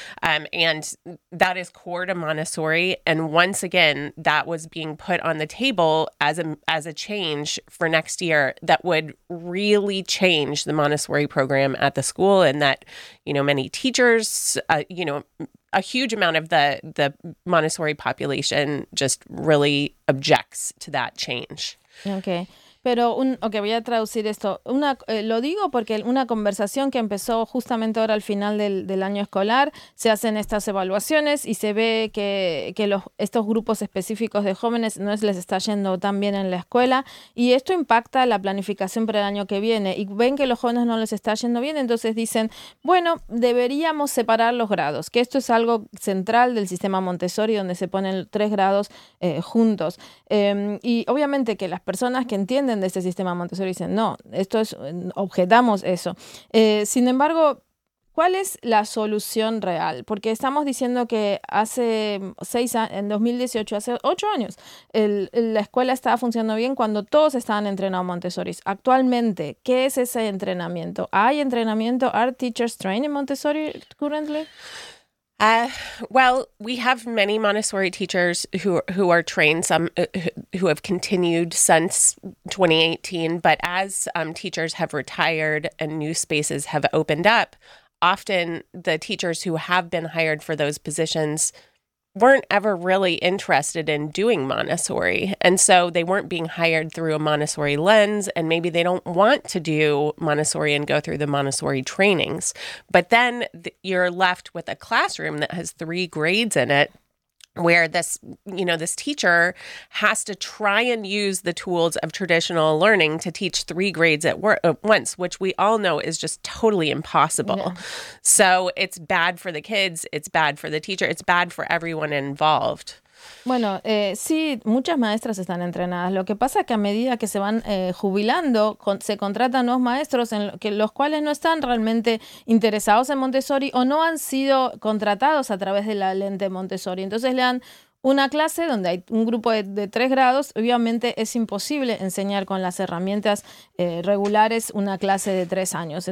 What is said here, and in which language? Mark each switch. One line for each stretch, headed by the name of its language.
English: And that is core to Montessori. And once again, that was being put on the table as a change for next year that would really change the Montessori program at the school, and that, you know, many teachers, a huge amount of the Montessori population just really objects to that change. Okay.
Spanish: Pero, voy a traducir esto. Lo digo porque una conversación que empezó justamente ahora al final del año escolar, se hacen estas evaluaciones y se ve que estos grupos específicos de jóvenes no les está yendo tan bien en la escuela, y esto impacta la planificación para el año que viene, y ven que los jóvenes no les está yendo bien, entonces dicen, bueno, deberíamos separar los grados, que esto es algo central del sistema Montessori, donde se ponen 3 grados juntos. Y obviamente que las personas que entienden de este sistema Montessori dicen, no, esto es, objetamos eso. Sin embargo, ¿cuál es la solución real? Porque estamos diciendo que hace 6 años, en 2018, hace 8 años, la escuela estaba funcionando bien cuando todos estaban entrenados Montessori. Actualmente, ¿qué es ese entrenamiento? ¿Hay entrenamiento?
English: ¿Are teachers training Montessori currently? Well, we have many Montessori teachers who are trained, some who have continued since 2018. But as teachers have retired and new spaces have opened up, often the teachers who have been hired for those positions weren't ever really interested in doing Montessori. And so they weren't being hired through a Montessori lens, and maybe they don't want to do Montessori and go through the Montessori trainings. But then you're left with a classroom that has 3 grades in it, where this teacher has to try and use the tools of traditional learning to teach 3 grades at once, which we all know is just totally impossible. Yeah. So it's bad for the kids, it's bad for the teacher, it's bad for everyone involved.
Spanish: Bueno, sí, muchas maestras están entrenadas. Lo que pasa es que a medida que se van jubilando, se contratan nuevos maestros, los cuales no están realmente interesados en Montessori o no han sido contratados a través de la lente Montessori. Entonces le dan una clase donde hay un grupo de 3 grados, obviamente es imposible enseñar con las herramientas regulares una clase de 3 años.